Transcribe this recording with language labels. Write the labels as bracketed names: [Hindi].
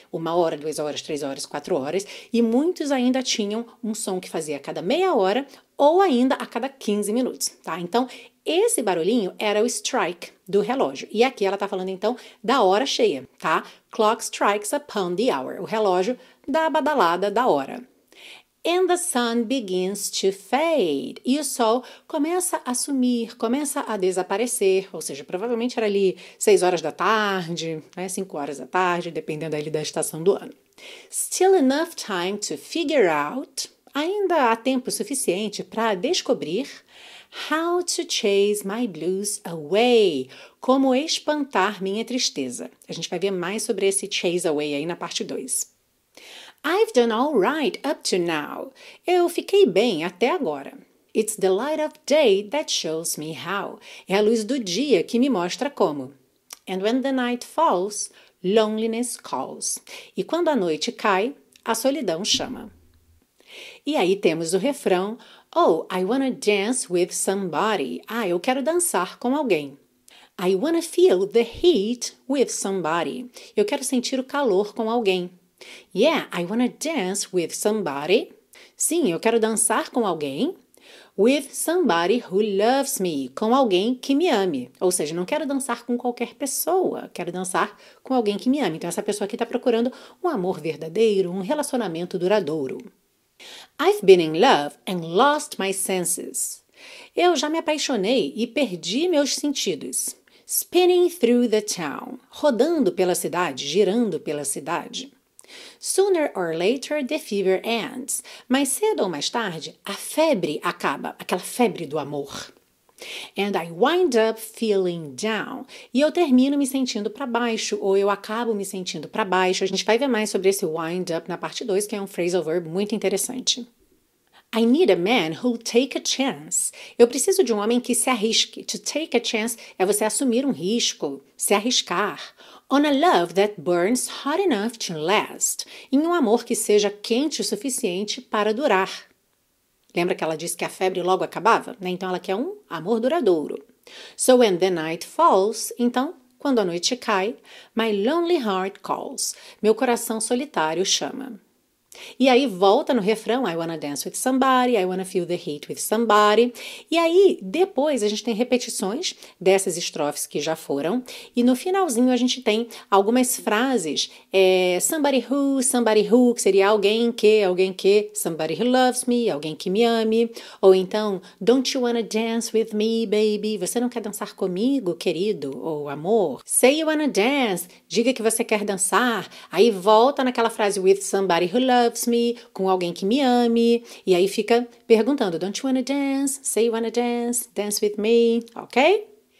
[Portuguese] Uma hora, 2 horas, 3 horas, 4 horas, e muitos ainda tinham um som que fazia a cada meia hora ou ainda a cada 15 minutos, tá? Então, esse barulhinho era o strike do relógio. E aqui ela tá falando, então, da hora cheia, tá? [English] Clock strikes upon the hour. [Portuguese] O relógio dá a badalada da hora. [English] And the sun begins to fade. [Portuguese] E o sol começa a sumir, começa a desaparecer. Ou seja, provavelmente era ali 6 horas da tarde, né, 5 horas da tarde, dependendo ali da estação do ano. [English] Still enough time to figure out. [Portuguese] Ainda há tempo suficiente para descobrir [English] how to chase my blues away. [Portuguese] Como espantar minha tristeza. A gente vai ver mais sobre esse chase away aí na parte 2. [English] I've done all right up to now. [Portuguese] Eu fiquei bem até agora. [English] It's the light of day that shows me how. [Portuguese] É a luz do dia que me mostra como. [English] And when the night falls, loneliness calls. [Portuguese] E quando a noite cai, a solidão chama. E aí temos o refrão. [English] Oh, I wanna dance with somebody. [Portuguese] Ah, eu quero dançar com alguém. [English] I wanna feel the heat with somebody. [Portuguese] Eu quero sentir o calor com alguém. [English] Yeah, I wanna dance with somebody. [Portuguese] Sim, eu quero dançar com alguém. [English] With somebody who loves me. [Portuguese] Com alguém que me ame. Ou seja, não quero dançar com qualquer pessoa. Quero dançar com alguém que me ame. Então, essa pessoa aqui está procurando um amor verdadeiro, um relacionamento duradouro. [English] I've been in love and lost my senses. [Portuguese] Eu já me apaixonei e perdi meus sentidos. [English] Spinning through the town. [Portuguese] Rodando pela cidade, girando pela cidade. [English] Sooner or later, the fever ends. [Portuguese] Mais cedo ou mais tarde, a febre acaba, aquela febre do amor. [English] And I wind up feeling down. [Portuguese] E eu termino me sentindo para baixo, ou eu acabo me sentindo para baixo. A gente vai ver mais sobre esse wind up na parte 2, que é um phrasal verb muito interessante. [English] I need a man who'll take a chance. [Portuguese] Eu preciso de um homem que se arrisque. [English] To take a chance [Portuguese] é você assumir um risco, se arriscar. [English] On a love that burns hot enough to last. [Portuguese] Em um amor que seja quente o suficiente para durar. Lembra que ela disse que a febre logo acabava? Né? Então ela quer um amor duradouro. [English] So when the night falls, [Portuguese] então, quando a noite cai, [English] my lonely heart calls. [Portuguese] Meu coração solitário chama. E aí volta no refrão, [English] I wanna dance with somebody, I wanna feel the heat with somebody. [Portuguese] E aí, depois, a gente tem repetições dessas estrofes que já foram. E no finalzinho, a gente tem algumas frases. [English] Somebody who, [Portuguese] que seria alguém que, [English] somebody who loves me, [Portuguese] alguém que me ame. Ou então, [English] don't you wanna dance with me, baby? [Portuguese] Você não quer dançar comigo, querido ou amor? [English] Say you wanna dance, [Portuguese] diga que você quer dançar. Aí volta naquela frase, [English] with somebody who loves me, [Portuguese] com alguém que me ame, e aí fica perguntando, [English] don't you wanna dance, say you wanna dance, dance with me, ok?